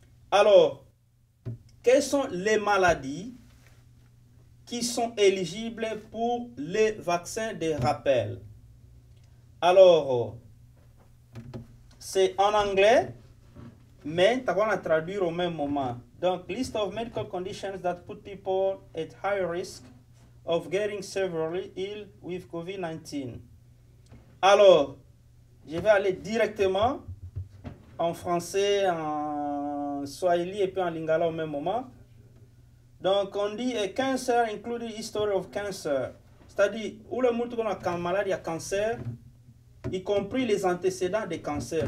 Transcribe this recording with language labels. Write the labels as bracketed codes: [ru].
[fr] Alors, quelles sont les maladies qui sont éligibles pour les vaccins de rappel? Alors, c'est en anglais, mais tu vas la traduire au même moment. [en] Donc, list of medical conditions that put people at high risk of getting severely ill with COVID-19. [fr] Alors, je vais aller directement en français, en swahili et puis en lingala au même moment. Donc on dit [en] cancer including history of cancer, [fr] c'est-à-dire où le monde qu'on a malade il y a cancer, y compris les antécédents des cancers.